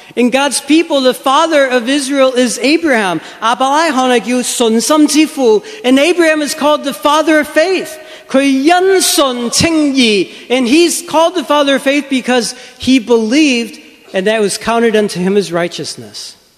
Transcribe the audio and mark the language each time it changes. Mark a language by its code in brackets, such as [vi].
[en] ，and God's people, the father of Israel is Abraham. [yue] 亚伯拉罕系叫信心之父 [en] ，and Abraham is called the father of faith. [yue] 佢因信称义 [en] ，and he's called the father of faith because he believed, and that was counted unto him as righteousness.